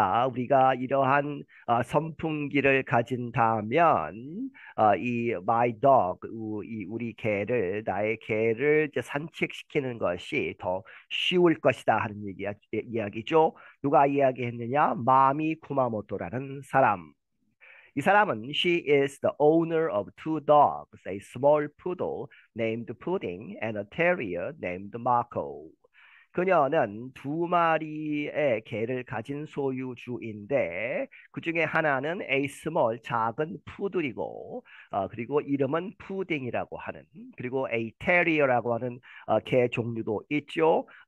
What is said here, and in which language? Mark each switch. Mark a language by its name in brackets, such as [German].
[Korean] 우리가 이러한 선풍기를 가진다면 이 [English] my dog [Korean] 이 우리 개를 나의 개를 이제 산책시키는 것이 더 쉬울 것이다 하는 이야기죠. 누가 이야기했느냐? 마미 쿠마모토라는 사람. 이 사람은 [English] she is the owner of two dogs, a small poodle named Pudding and a terrier named Marco. [Korean] 그녀는 두 마리의 개를 가진 소유주인데, 그 중에 하나는 A 스몰 작은 푸들이고, 그리고 이름은 푸딩이라고 하는, 그리고 A 테리어라고 하는 개 종류도 있죠.